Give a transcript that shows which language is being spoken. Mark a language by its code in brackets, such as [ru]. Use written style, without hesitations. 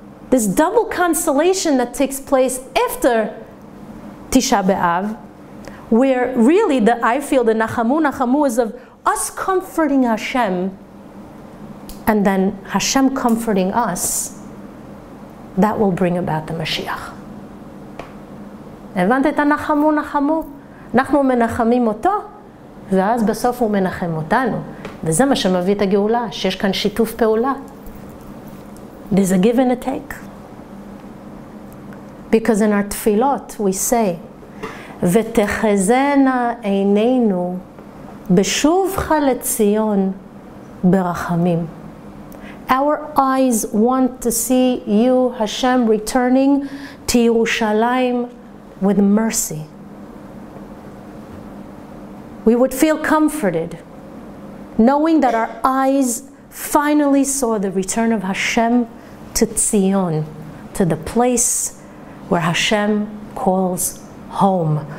[en] this double consolation that takes place after Tisha B'Av, where really the Nachamu is of us comforting Hashem, and then Hashem comforting us, that will bring about the Mashiach. [he] הבנת את הנחמו נחמו? אנחנו מנחמים אותו, ואז בסוף הוא מנחם אותנו. וזה מה שמביא את הגאולה, שיש כאן שיתוף פעולה. [en] There's a give and a take. Because in our תפילות we say, [he] ותחזנה עינינו בשובך לציון ברחמים. [en] Our eyes want to see you, Hashem, returning to Yerushalayim with mercy. We would feel comforted knowing that our eyes finally saw the return of Hashem to Tzion, to the place where Hashem calls home.